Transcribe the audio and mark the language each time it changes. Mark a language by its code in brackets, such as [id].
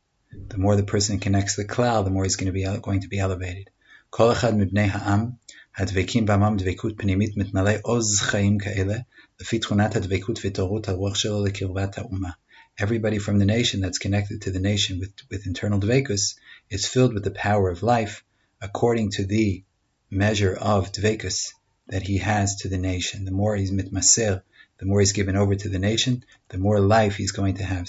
[en] The more the person connects the klal, the more he's going to be elevated. [he] Kol echad mibnei ha'am, הדבקים בעמם דבקות פנימית מתמלא עוז חיים כאלה לפי תכונת הדבקות ותורות הרוח שלו לקרבת האומה. [en] Everybody from the nation that's connected to the nation with internal dvekus is filled with the power of life according to the measure of dvekus that he has to the nation. The more he's mitmaser, the more he's given over to the nation, the more life he's going to have.